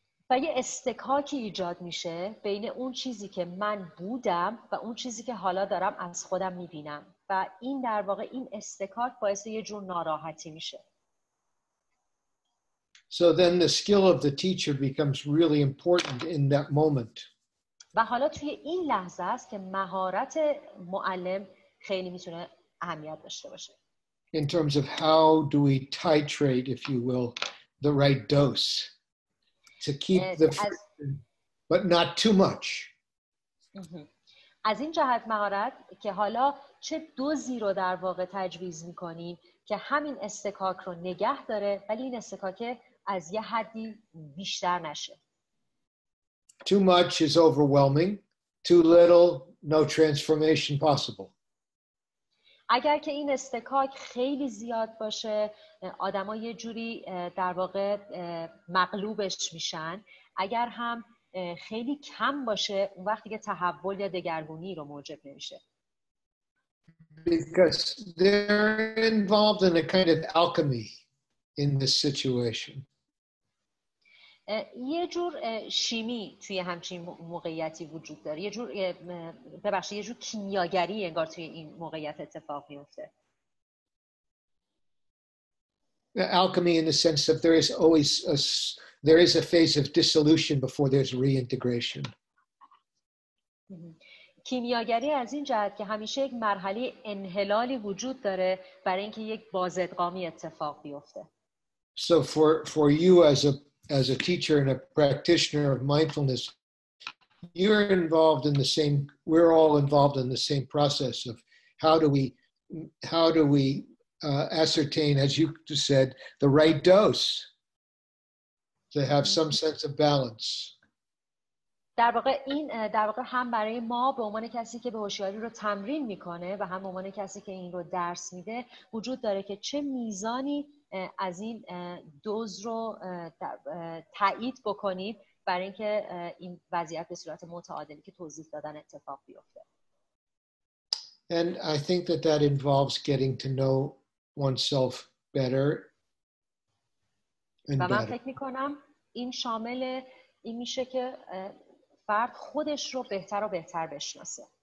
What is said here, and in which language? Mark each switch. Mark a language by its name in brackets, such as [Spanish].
[Persian] و یه استکاکی ایجاد میشه بین اون چیزی که من بودم و اون چیزی که حالا دارم از خودم میبینم و این در واقع این استکاک باعث یه جور ناراحتی میشه. [English] So then the skill of the teacher becomes really important in that moment. [Persian] و حالا توی این لحظه است که مهارت معلم خیلی میتونه اهمیت داشته باشه. [English] In terms of how do we titrate, if you will, the right dose to keep the friction, but not too much. [Persian] از این جهت مهارت که حالا چه دوزی رو در واقع تجویز میکنیم که همین استکاک رو نگه داره ولی این استکاک از یه حدی بیشتر نشه. [English] Too much is overwhelming. Too little, no transformation possible. [Persian] اگر که این استکاک خیلی زیاد باشه آدم ها یه جوری در واقع مغلوبش میشن. اگر هم خیلی کم باشه اون وقتی که تحول یا دگرگونی رو موجب نمیشه. [English] Because they're involved in a kind of alchemy in this situation. [Persian] یه جور شیمی توی همچین موقعیتی وجود داره. یه جور کیمیاگری انگار توی این موقعیت اتفاق میفته. [English] Alchemy in the sense that there is always a phase of dissolution before there's reintegration. [Persian] کیمیاگری از این جهت که همیشه یک مرحله انحلالی وجود داره برای اینکه یک بازدگامی اتفاق بیفته. [English] So for you as a teacher and a practitioner of mindfulness, you're involved in the same, we're all involved in the same process of how do we ascertain, as you said, the right dose to have some sense of balance. [Persian] در واقع این در واقع هم برای ما به عنوان کسی که به هوشیاری رو تمرین میکنه و هم به عنوان کسی که این رو درس میده وجود داره که چه میزانی از این دوز رو تایید بکنید برای اینکه این وضعیت به صورت متعادلی که توضیح دادن اتفاق بیفته. [English] And I think that involves getting to know oneself better and better. [Persian] و من فکر میکنم این شامل این میشه که فرد خودش رو بهتر و بهتر بشناسه.